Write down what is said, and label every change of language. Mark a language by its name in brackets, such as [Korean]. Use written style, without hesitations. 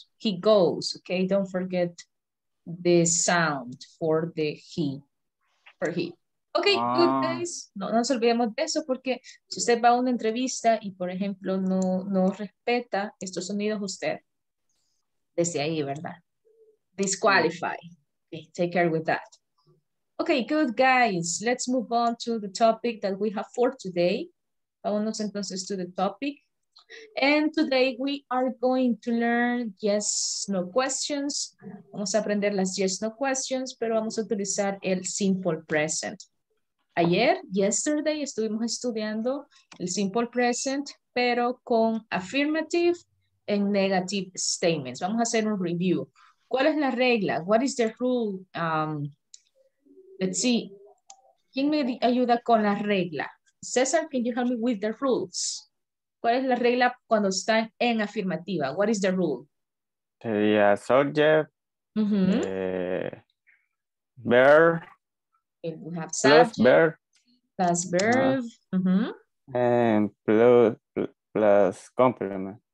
[English] Okay, don't forget the sound for the he. For he. Okay, good guys. [Spanish] No nos olvidemos de eso porque si usted va a una entrevista y por ejemplo no respeta estos sonidos usted desde ahí, ¿verdad? [English] Disqualify. Okay, take care with that. Okay, good guys. Let's move on to the topic that we have for today. [Spanish] Vámonos entonces [English] to the topic. And today we are going to learn yes, no questions. [Spanish] Vamos a aprender las yes, no questions, pero vamos a utilizar el simple present. Ayer, yesterday, estuvimos estudiando el simple present, pero con [English] affirmative and negative statements. [Spanish] Vamos a hacer un review. ¿Cuál es la regla? [English] What is the rule? Let's see. [Spanish] ¿Quién me ayuda con la regla? [English] César, can you help me with the rules? [Spanish] ¿Cuál es la regla cuando está en afirmativa? [English] What is the rule? [Spanish] Sería [English] subject, verb. We have subject, plus verb. Plus verb. And plus complement.